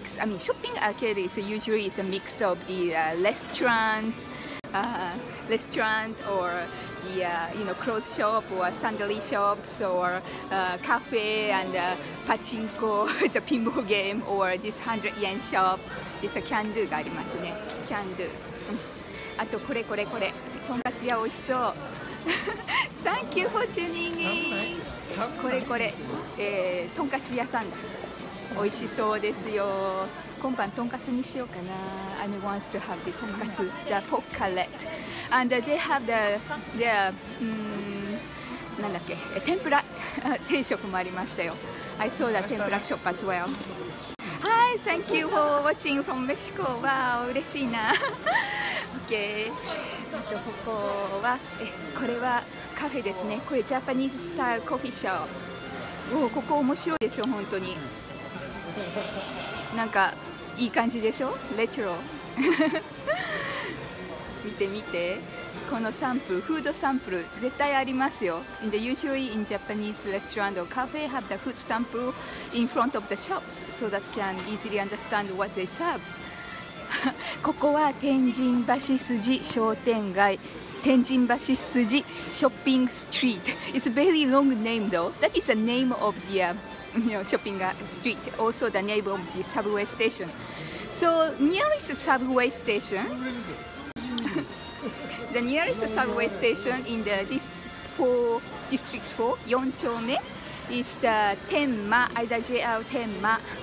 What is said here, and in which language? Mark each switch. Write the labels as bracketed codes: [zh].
[en] I mean, shopping arcade is usually is a mix of the restaurant or the you know clothes shop or sandali shops or cafe and pachinko, the pinball game or this 100 yen shop. This a candu [ja] がありますね。candu. あとこれこれこれ。とんかつ屋美味しそう。 [en] Thank you for tuning in. [ja] これこれ、とんかつ屋さんだ。美味しそうですよ。今晩とんかつにしようかな。 [en] I'm wants to have the とんかつ the pork cutlet. And they have the [ja] なんだっけ、天ぷら定食もありましたよ。 [en] I saw the 天ぷらショップ as well. Hi, thank you for watching from Mexico. [ja] Wow, 嬉しいな。Okay. ここは、これは。カフェですね。これジャパニーズスタイルコーヒーショップ。おお、ここ面白いですよ、本当に。なんかいい感じでしょ？レトロ。見て見て、このサンプル、フードサンプル、絶対ありますよ。 [en] In the usually in Japanese restaurant or cafe have the food sample in front of the shops so that can easily understand what they serves. [ja] ここは天神橋筋商店街。 [en] Tenjinbashisuji Shopping Street. It's a very long name though. That is the name of the shopping street. Also the name of the subway station. So nearest subway station, the nearest subway station in the District 4, 4丁目, is the Tenma, either JR Tenma.